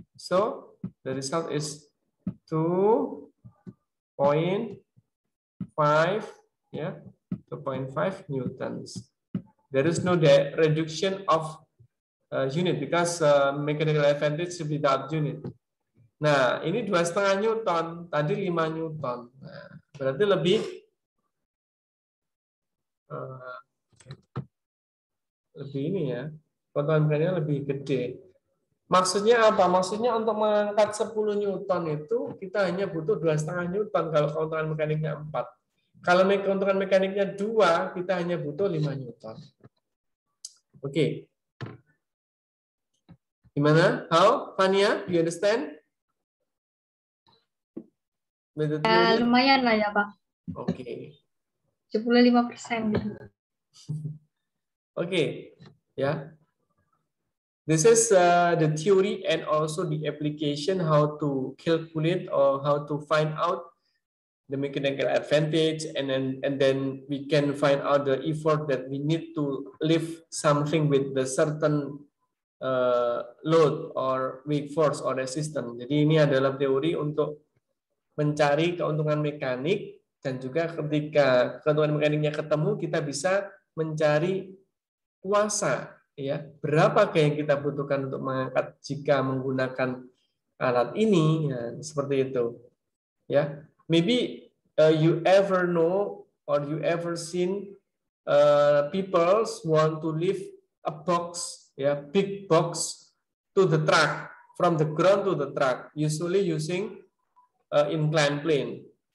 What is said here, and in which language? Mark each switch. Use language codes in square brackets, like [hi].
[en] So the result is 2.5, ya, 2.5 newtons. There is no reduction of unit, because mechanical advantage without unit. [id] Nah, ini 2,5 newton, tadi 5 newton. Nah, berarti lebih lebih ini, ya. Potongan mekaniknya lebih gede. Maksudnya apa? Maksudnya untuk mengangkat 10 newton itu kita hanya butuh 2,5 newton kalau keuntungan mekaniknya 4. Kalau keuntungan mekaniknya 2, kita hanya butuh 5 newton. Oke. Okay. [en] Gimana? How, Fania? You understand? [id] Ya, lumayan lah, ya, Pak. Oke. [en] Okay. 75%. [id] Oke. Okay. Ya. Yeah. [en] This is the theory and also the application how to calculate or how to find out the mechanical advantage, and then we can find out the effort that we need to lift something with the certain load or weak force or resistance. [id] Jadi ini adalah teori untuk mencari keuntungan mekanik, dan juga ketika keuntungan mekaniknya ketemu, kita bisa mencari kuasa, ya, berapa yang kita butuhkan untuk mengangkat jika menggunakan alat ini, ya, seperti itu, ya. [en] Maybe you ever know or you ever seen people want to lift a box, ya, big box to the truck, from the ground to the truck, usually using inclined plane.